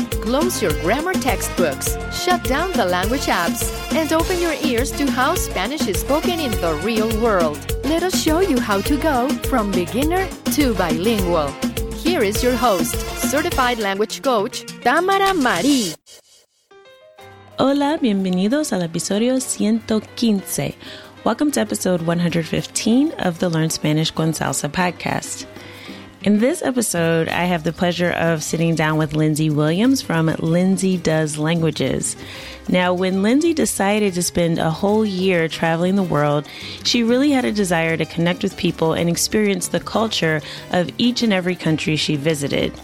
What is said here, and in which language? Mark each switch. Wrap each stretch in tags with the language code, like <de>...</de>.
<en>Close your grammar textbooks, shut down the language apps, and open your ears to how Spanish is spoken in the real world. Let us show you how to go from beginner to bilingual. Here is your host, certified language coach, Tamara Marie.</en> <es>Hola, bienvenidos al episodio 115.</es> <en>Welcome to episode 115 of the Learn Spanish con Salsa podcast. In this episode, I have the pleasure of sitting down with Lindsay Williams from Lindsay Does Languages. Now, when Lindsay decided to spend a whole year traveling the world, she really had a desire to connect with people and experience the culture of each and every country she visited.</en>